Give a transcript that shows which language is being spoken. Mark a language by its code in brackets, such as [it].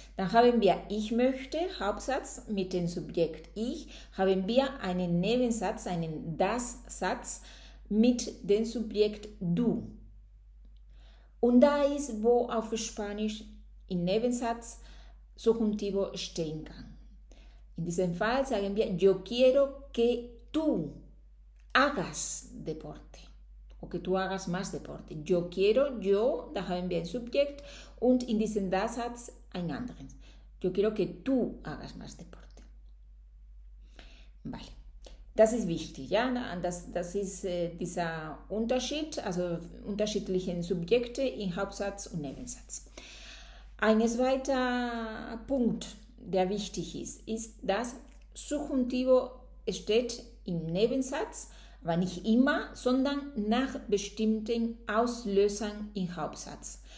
[de] Dann haben wir ich möchte, Hauptsatz mit dem Subjekt ich, haben wir einen Nebensatz, einen Das-Satz mit dem Subjekt du. Und da ist, wo auf Spanisch im Nebensatz Subjuntivo stehen kann. [es] Dicen falsa, alguien bien. Yo quiero que tú hagas deporte o que tú hagas más deporte. Yo quiero, yo, [de] da haben wir ein Subjekt, und in diesem Satz ein anderes. [es] Yo quiero que tú hagas más deporte. [de] Vale. Das ist wichtig, ja? Das ist dieser Unterschied, also unterschiedlichen Subjekte in Hauptsatz und Nebensatz. Ein zweiter Punkt, der wichtig ist, ist, dass Subjuntivo steht im Nebensatz, aber nicht immer, sondern nach bestimmten Auslösern im Hauptsatz.